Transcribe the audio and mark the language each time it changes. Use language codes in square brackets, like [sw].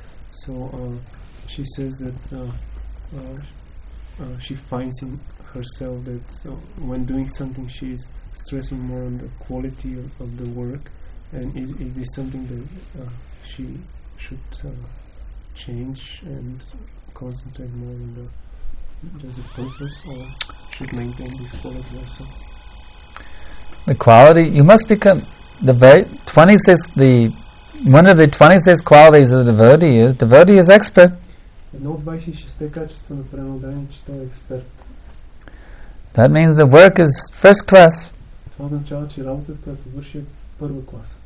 [en] So she says that she finds in herself that when doing something she is stressing more on the quality of the work, and is this something that she should change and concentrate more on the purpose, or should maintain this quality also? The quality, you must become the very 26, the one of the 26 qualities of the devotee is expert. [bg] Едно от 26-те качества на преданост, че той е експерт. [en] That means the work is first class. [bg] Това означава, че работата, която върши, е първа класа.